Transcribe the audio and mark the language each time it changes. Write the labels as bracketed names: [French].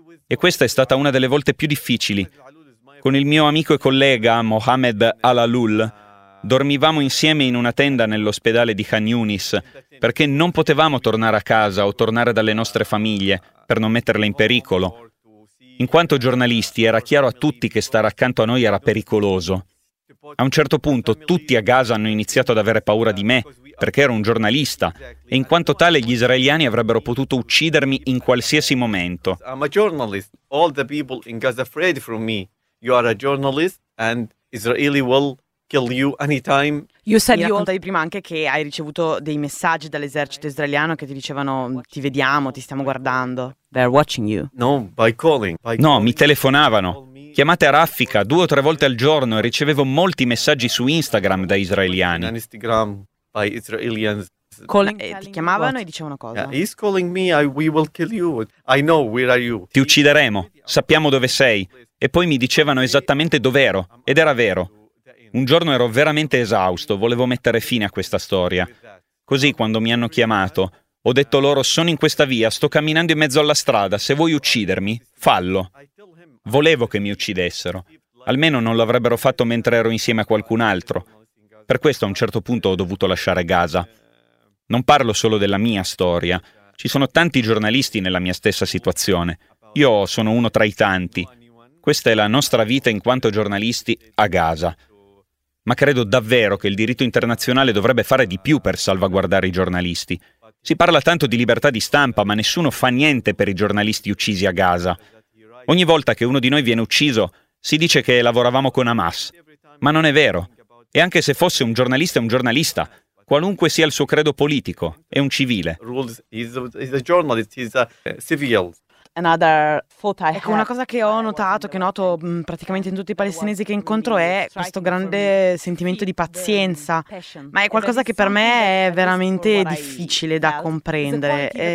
[Italian] E questa è stata una delle volte più difficili. Con il mio amico e collega Mohamed Al-Alul, dormivamo insieme in una tenda nell'ospedale di Khan Yunis, perché non potevamo tornare a casa o tornare dalle nostre famiglie per non metterle in pericolo. In quanto giornalisti, era chiaro a tutti che stare accanto a noi era pericoloso. A un certo punto, tutti a Gaza hanno iniziato ad avere paura di me, perché ero un giornalista, e in quanto tale gli israeliani avrebbero potuto uccidermi in qualsiasi momento. [English] I'm a journalist. All the people in Gaza afraid from me. You are a journalist and Israeli will kill you anytime. [Italian] Mi raccontavi prima anche che hai ricevuto dei messaggi dall'esercito israeliano che ti dicevano ti vediamo, ti stiamo guardando. [English] They're watching you. No, by calling. [Italian] No, mi telefonavano. Chiamate a Raffica 2 o 3 volte al giorno e ricevevo molti messaggi su Instagram da israeliani. [English] Instagram by Israelians. [Italian] Ti chiamavano e dicevano cosa? [English] Yeah, he's calling me, we will kill you. I know, where are you? [Italian] Ti uccideremo, sappiamo dove sei. E poi mi dicevano esattamente dov'ero, ed era vero. Un giorno ero veramente esausto, volevo mettere fine a questa storia. Così, quando mi hanno chiamato, ho detto loro, sono in questa via, sto camminando in mezzo alla strada, se vuoi uccidermi, fallo. Volevo che mi uccidessero. Almeno non l'avrebbero fatto mentre ero insieme a qualcun altro. Per questo a un certo punto ho dovuto lasciare Gaza. Non parlo solo della mia storia. Ci sono tanti giornalisti nella mia stessa situazione. Io sono uno tra i tanti. Questa è la nostra vita in quanto giornalisti a Gaza. Ma credo davvero che il diritto internazionale dovrebbe fare di più per salvaguardare i giornalisti. Si parla tanto di libertà di stampa, ma nessuno fa niente per i giornalisti uccisi a Gaza. Ogni volta che uno di noi viene ucciso, si dice che lavoravamo con Hamas. Ma non è vero. E anche se fosse un giornalista, è un giornalista. Qualunque sia il suo credo politico, è un civile. [English] He's a journalist, he's a civil. [Italian] Ecco, una cosa che ho notato, che noto praticamente in tutti i palestinesi che incontro, è questo grande sentimento di pazienza. Ma è qualcosa che per me è veramente difficile da comprendere.